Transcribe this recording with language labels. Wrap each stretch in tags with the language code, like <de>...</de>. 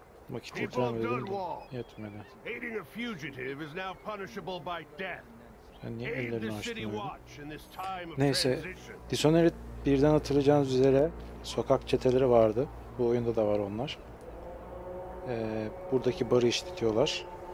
<tr>Vakit edeceğim dedim de yetmedi.</tr> <en>Aiding a fugitive is now punishable by death.</en> <tr>Yani niye ellerini açtım? Neyse, Dishonored 1'den hatırlayacağınız üzere sokak çeteleri vardı. Bu oyunda da var onlar. Buradaki barı işletiyorlar.</tr>